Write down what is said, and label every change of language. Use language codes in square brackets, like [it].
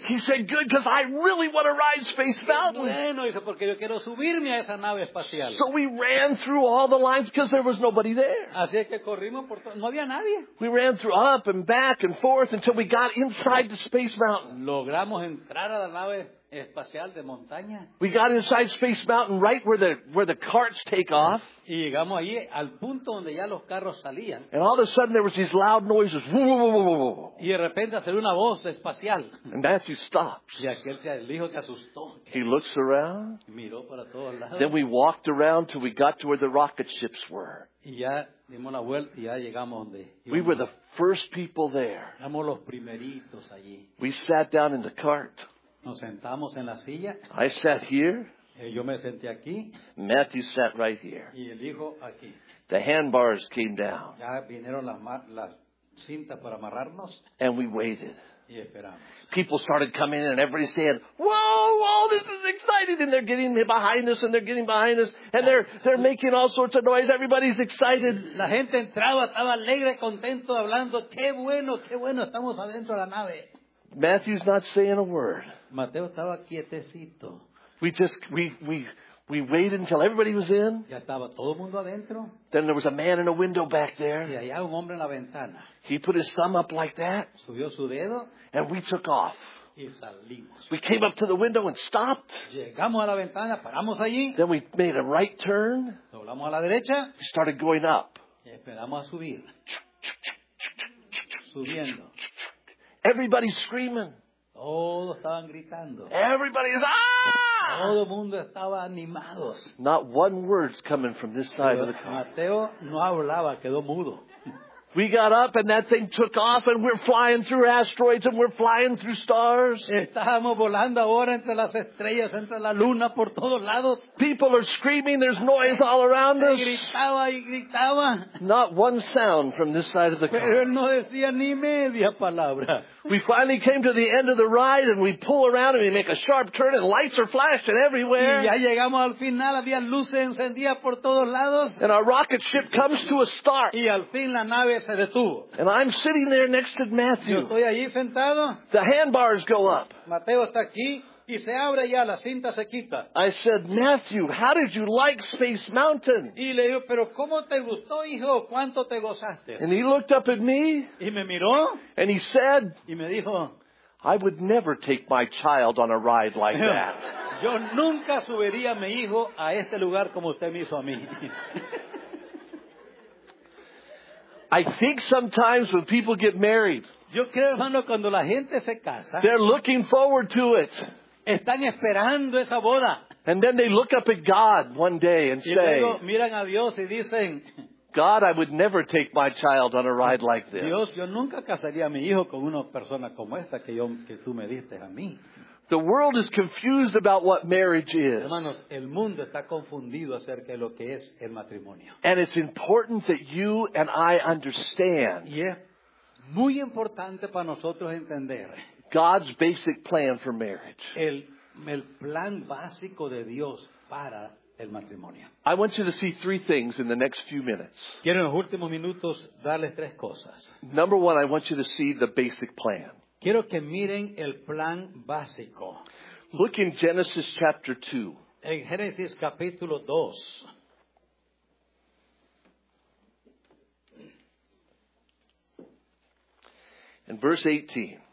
[en] He said, "Good, because I really want to ride Space Mountain." [es] Bueno, dice, porque yo quiero subirme a esa nave espacial. [en] So we ran through all the lines because there was nobody there. [es] Así es que corrimos por todo. No había nadie. [en] We ran through up and back and forth until we got inside the Space Mountain. [es] Logramos entrar a la nave espacial de montaña. [en] We got inside Space Mountain right where the carts take off. [es] Y llegamos allí al punto donde ya los carros salían. [en] And all of a sudden there was these loud noises. [es] Y de repente salió una voz espacial. [en] And Matthew stops. [es] Y aquel el hijo se asustó. [en] He looks around. [es] Miró para todos lados. [en] Then we walked around till we got to where the rocket ships were. [es] Y ya dimos la vuelta y ya llegamos donde. [en] We were the first people there. [es] Éramos los primeritos allí. [en] We sat down in the cart. [es] Nos sentamos en la silla. [en] I sat here. [es] Yo me senté aquí. [en] Matthew sat right here. [es] Y el hijo aquí. [en] The handbars came down. [es] Ya vinieron las cintas para amarrarnos. [en] And we waited. People started coming in and everybody said, whoa, this is exciting. And they're getting behind us and they're getting behind us. And they're making all sorts of noise. Everybody's excited. [es] La gente entraba, estaba alegre, contento, hablando, qué bueno, estamos adentro de la nave. [en] Matthew's not saying a word. [es] Mateo estaba quietecito. [en] We waited until everybody was in. [es] Ya estaba todo mundo adentro. [en] Then there was a man in a window back there. [es] Y allá un hombre en la ventana. [en] He put his thumb up like that. [es] Subió su dedo. [en] And we took off. [es] Y salimos. [en] We came up to the window and stopped. [es] Llegamos a la ventana, paramos allí. [en] Then we made a right turn. [es] Doblamos a la derecha. [en] We started going up. [es] Y esperamos a subir. Subiendo. [en] Everybody's screaming. [es] Todos estaban gritando. [en] Everybody's [es] Todo mundo estaba animados. [en] Not one word's coming from this side of the car. [es] Mateo no hablaba, quedó mudo. [en] We got up and that thing took off and we're flying through asteroids and we're flying through stars. [es] Estábamos volando ahora entre las estrellas, entre la luna, por todos lados. [en] People are screaming, there's noise all around us. [es] Gritaba y gritaba. [en] Not one sound from this side of the car. [es] Pero no decía ni media palabra. [en] We finally came to the end of the ride and we pull around and we make a sharp turn and lights are flashing everywhere. [es] Y ya llegamos al final, había luces encendidas por todos lados. [en] And our rocket ship comes to a start. [es] Y al fin la nave se detuvo. [en] And I'm sitting there next to Matthew. [es] Yo estoy allí sentado. [en] The handbars go up. [es] Mateo está aquí y se abre ya, la cinta se quita. [en] I said, Matthew, how did you like Space Mountain? [es] Y le digo, pero ¿cómo te gustó, hijo? ¿Cuánto te gozaste? [en] And he looked up at me. [es] Y me miró. [en] And he said, [es] y me dijo, [en] I would never take my child on a ride like that. [es] Yo nunca subiría a mi hijo a este lugar como usted me hizo a mí. [en] I think sometimes when people get married, [es] yo creo, hermano, cuando la gente se casa, [en] they're looking forward to it. [es] Están esperando esa boda. [en] And then they look up at God one day and say, [es] y luego miran a Dios y dicen, [en] God, I would never take my child on a ride like this. [es] Dios, yo nunca casaría a mi hijo con una persona como esta que tú me diste a mí. [en] The world is confused about what marriage is. [es] Hermanos, el mundo está confundido acerca de lo que es el matrimonio. [en] And it's important that you and I understand. [es] Y es muy importante para nosotros entender [en] God's basic plan for marriage. [es] El plan básico de Dios para el matrimonio. [en] I want you to see three things in the next few minutes. [es] Quiero en los últimos minutos darles tres cosas. [en] Number one, I want you to see the basic plan. [es] Quiero que miren el plan básico. [en] Look in Genesis chapter 2. [es] En Génesis capítulo 2. [en] In verse 18.